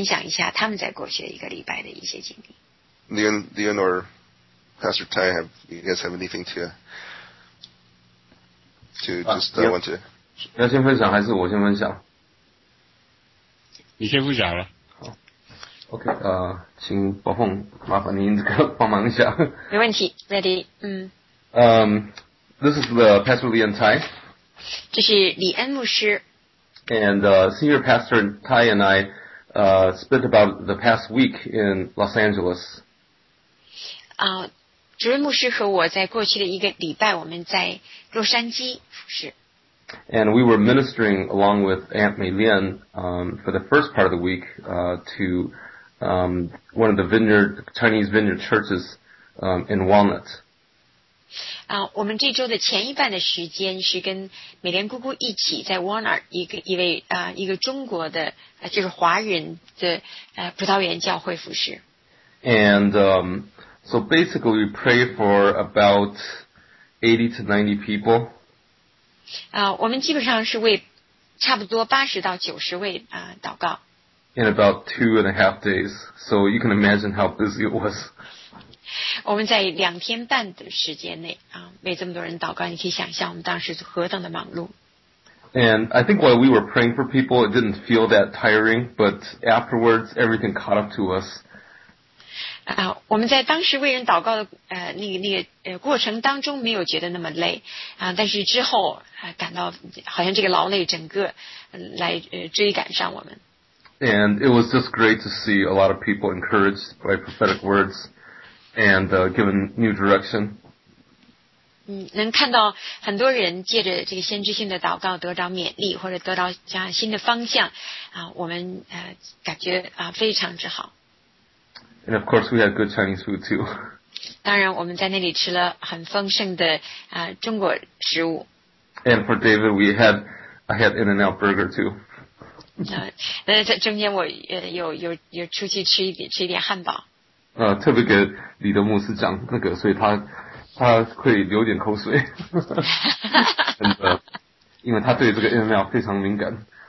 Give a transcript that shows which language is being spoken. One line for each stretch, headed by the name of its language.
Chinese: 在我来为我们所提到的这在台湾的各样的工作献上我们的感恩赞美之前，我还是希望有给点时间让李恩和主任牧师可以分享一下他们在过去的一个礼拜的一些经历。
English: Leon or Pastor Tai, have you guys have anything to want to?
Chinese: 要先分享还是我先分享？你先分享了。 OK， 请宝凤麻烦您这个帮忙一下。没问题 ，Ready， 嗯。
English: This is the Pastor Leon Tai。
Chinese: 这是李恩牧师。
English: And Senior Pastor Tai and I spent about the past week in Los Angeles。
Chinese: 主任牧师和我在过去的一个礼拜，我们在洛杉矶服侍。
English: And we were ministering along with Aunt Maylin for the first part of the week to one of the Chinese vineyard churches in Walnut.
Chinese: 我们这周的前一半的时间是跟美莲姑姑一起在 Walnut 一个中国的就是华人的葡萄园教会服事。
English: And so basically we pray for about 80 to 90 people.
Chinese: 我们基本上是为差不多80到90位祷告。
English: In about 2.5 days, so you can imagine how busy it was.
Chinese: 我们在两天半的时间内为这么多人祷告，你可以想象我们当时何等的忙碌。
English: And I think while we were praying for people, it didn't feel that tiring, but afterwards everything caught up to us.
Chinese: 我们在当时为人祷告的过程当中没有觉得那么累但是之后感到好像这个劳累整个来追赶上我们。
English: And it was just great to see a lot of people encouraged by prophetic words and given new direction.
Chinese: 能看到很多人借着这个先知性的祷告得到勉励或者得到新的方向我们感觉非常之好。
English: And of course, we had good Chinese food too.
Chinese: 当然，我们在那里吃了很丰盛的中国食物。
English: And for David, I had In-N-Out burger too.
Chinese: 在中间我有出去吃一点汉堡。特别给李德牧师讲那个，所以他可以流点口水。真的，因为他对这个 In-N-Out 非常敏感。